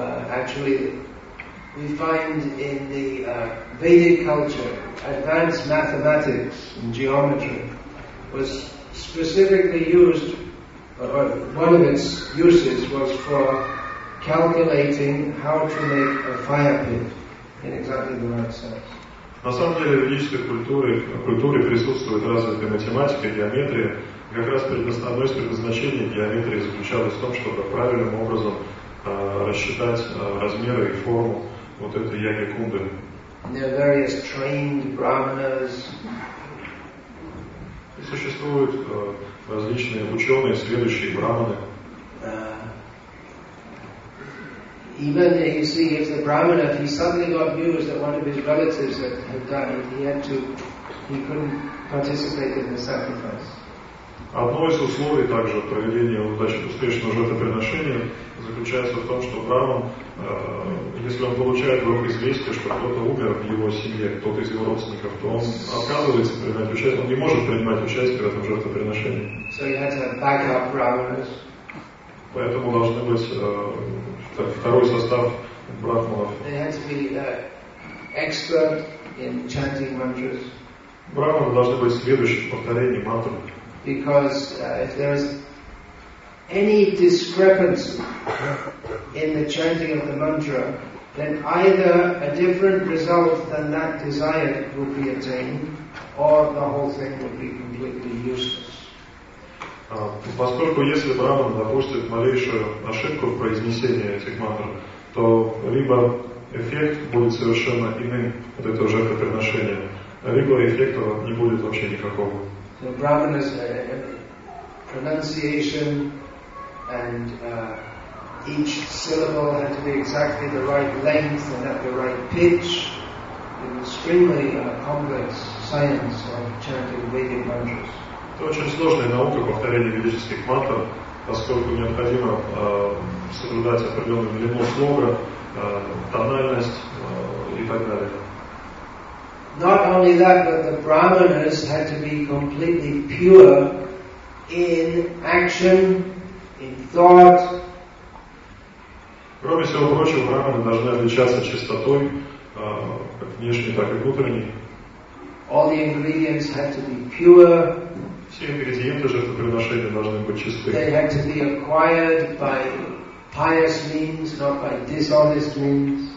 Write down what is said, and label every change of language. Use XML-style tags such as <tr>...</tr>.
<en>Actually, we find in the Vedic culture, advanced mathematics and geometry was specifically used, or one of its uses was for calculating how to make a fire pit in exactly the right size.</en> <ru>На самом деле в ведической культуре присутствует развитая математика, геометрия. Как раз одно из предназначений геометрии заключалось в том, чтобы правильным образом рассчитать размеры и форму вот этой яги кунды. И существуют различные ученые, следующие брахманы.</ru> <en>Even you see, if the brahmana, if he suddenly got news that one of his relatives had died, he couldn't participate in the sacrifice.</en> <ru>Одно из условий также проведения успешного жертвоприношения заключается в том, что браман, если он получает вдруг известие, что кто-то умер в его семье, кто-то из его родственников, то он отказывается принимать участие, он не может принимать участие в этом жертвоприношении.</ru> <en>So you had to have backup brahmanas.</en> <ru>Поэтому должны быть второй состав брахманов.</ru> <en>They had to be expert in chanting mantras.</en> <ru>Брахманы должны быть следующим повторением мантры.</ru> <en>Because if there is any discrepancy in the chanting of the mantra, then either a different result than that desired would be attained, or the whole thing would be completely useless.</en> <ru>Поскольку если браман допустит малейшую ошибку в произнесении этих мантр, то либо эффект будет совершенно иным от этого жертвоприношения, либо эффекта не будет вообще никакого.</ru> <en>So brahman is pronunciation and each syllable had to be exactly the right length and at the right pitch. An extremely complex science of chanting Vedic mantras.</en> <ru>Это очень сложная наука повторения ведических мантр, поскольку необходимо соблюдать определенную длину слога, тональность и так далее.</ru> <en>Not only that, but the brahmanas had to be completely pure in action, in thought.</en> <ru>Кроме всего прочего, брахманы должны отличаться чистотой, как внешней, так и внутренней.</ru> <en>All the ingredients had to be pure.</en> <ru>Все ингредиенты жертвоприношения должны быть чисты.</ru> <en>They had to be acquired by pious means, not by dishonest means.</en>